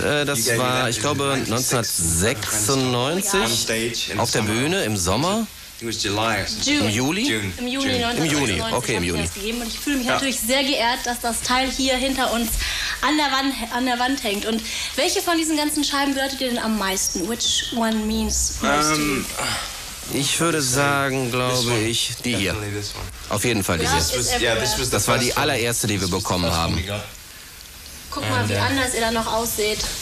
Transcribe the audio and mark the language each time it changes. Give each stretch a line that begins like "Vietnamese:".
German: Das war, ich glaube, 1996 auf der Bühne im Sommer. Im Juni. Okay, im Juni. Und ich fühle mich natürlich sehr geehrt, dass das Teil hier hinter uns an der Wand hängt. Und welche von diesen ganzen Scheiben gehört dir denn am meisten?
English: Which one means most to you?
German: Ich würde sagen, glaube ich, die hier. Auf jeden Fall diese. Das war die allererste, die wir bekommen haben. Guck mal, wie anders ihr da noch ausseht.